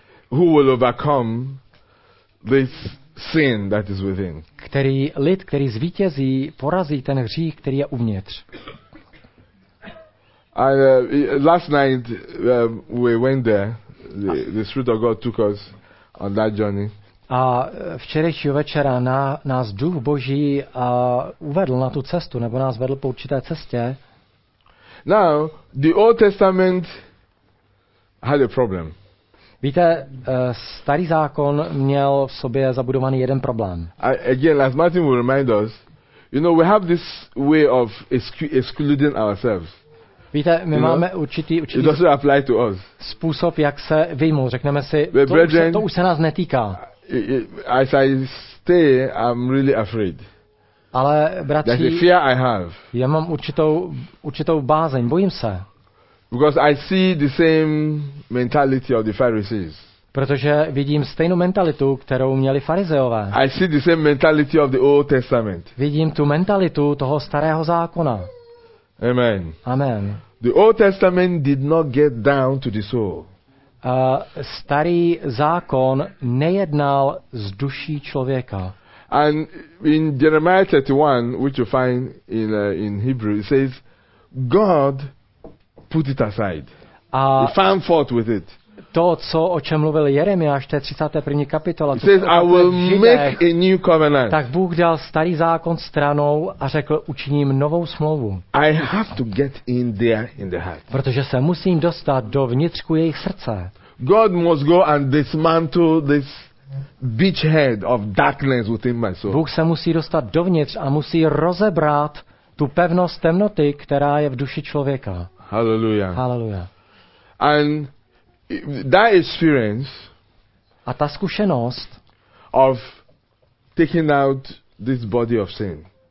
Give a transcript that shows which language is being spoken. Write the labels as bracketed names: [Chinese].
[English] Who will overcome this sin that is within? [Czech] Který lid, který zvítězí, porazí ten hřích, který je uvnitř. [English] And last night we went there. The Spirit of God took us on that journey. [Czech] A včerejšího večera nás Duch Boží uvedl na tu cestu, nebo nás vedl po určité cestě. [English] Now, the Old Testament had a problem. [Czech] Víte, starý zákon měl v sobě zabudovaný jeden problém. [English] Again, as Martin will remind us, you know, we have this way of excluding ourselves. [Czech] Víte, my máme určitý způsob, jak se vyjmout. Řekneme si, to už se nás netýká. [English] As I stay, I'm really afraid. [Czech] Ale bratři, [English] there's a fear I have. [Czech] Já mám určitou bázeň, bojím se. [English] Because I see the same mentality of the Pharisees. [Czech] Protože vidím stejnou mentalitu, kterou měli farizeové. [English] I see the same mentality of the Old Testament. [Czech] Vidím tu mentalitu toho starého zákona. [English] Amen. [Czech] Amen. [English] The Old Testament did not get down to the soul. [Czech] Starý zákon nejednal z duší člověka. [English] And in Jeremiah 31, which you find in Hebrew, it says God put it aside. [Czech] A [English] he found fault with it. [Czech] To, co o čem mluvil Jeremiáš, to je 31. kapitola. [English] He says, I will make a new covenant. [Czech] Tak Bůh dal starý zákon stranou a řekl, učiním novou smlouvu. [English] I have to get in there in the heart. [Czech] Protože se musím dostat do vnitřku jejich srdce. [English] God must go and dismantle this beachhead of darkness within my soul. [Czech] Bůh se musí dostat dovnitř a musí rozebrat tu pevnost temnoty, která je v duši člověka. [English] Hallelujah. [Czech] Hallelujah. [English] And that experience, [Czech] a ta zkušenost [English] of taking out this body of sin,